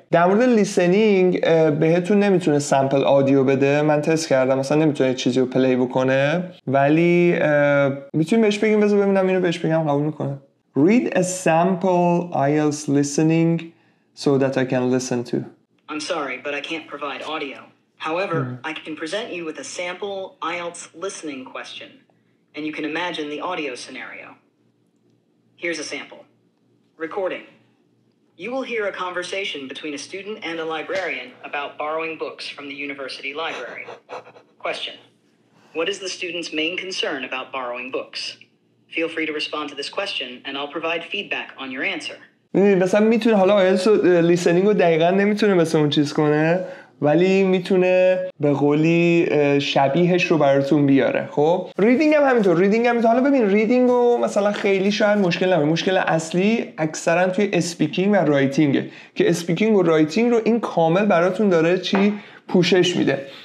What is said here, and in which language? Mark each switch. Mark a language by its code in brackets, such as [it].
[fa] در مورد لیسنینگ بهتون نمیتونه سمپل آدیو بده. من تست کردم. اصلا نمیتونه چیزی رو پلی بکنه. ولی میتونیم بهش بگیم بذار ببینم اینو بهش بگم قبول میکنه. [en] Read a sample IELTS listening so that I can listen to. I'm sorry, but I can't provide audio. However, I can present you with a sample IELTS listening question, and you can imagine the audio scenario. Here's a sample. Recording. You will hear a conversation between a student and a librarian about borrowing books from the university library. Question. What is the student's main concern about borrowing books? Feel free to respond to this question, and I'll provide feedback on your answer. [fa] مثلا میتونه حالا IELTS listening رو دقیقا نمیتونه مثلا اون چیز کنه، ولی میتونه به قولی شبیهش رو براتون بیاره. خب ریدینگ هم همینطور، ریدینگ هم میتونه. حالا ببین ریدینگ رو مثلا خیلی شاید مشکل نباشه، مشکل اصلی اکثرا توی اسپیکینگ و رایتینگه که اسپیکینگ و رایتینگ رو این کامل براتون داره چی پوشش میده.